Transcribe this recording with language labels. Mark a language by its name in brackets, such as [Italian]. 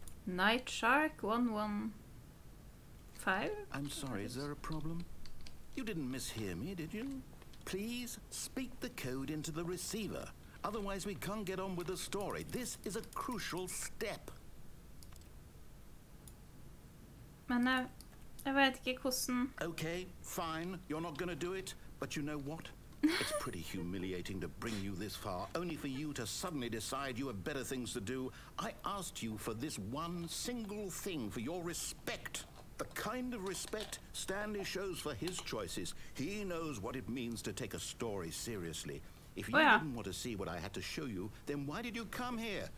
[English] Nightshark 115. I'm sorry, is there a problem? You didn't mishear me, did you? Please speak the code into the receiver. Otherwise, we can't get on with the story. This is a crucial step. [Norwegian] Men jeg vet ikke hvordan. [English] Okay, fine. You're not gonna do it. But you know what? It's pretty humiliating to bring you this far, only for you to suddenly decide you have better things to do. I asked you for this one single thing, for your respect. The kind of respect Stanley shows for his choices. He knows what it means to take a story seriously. If you didn't want to see what I had to show you, then why did you come here?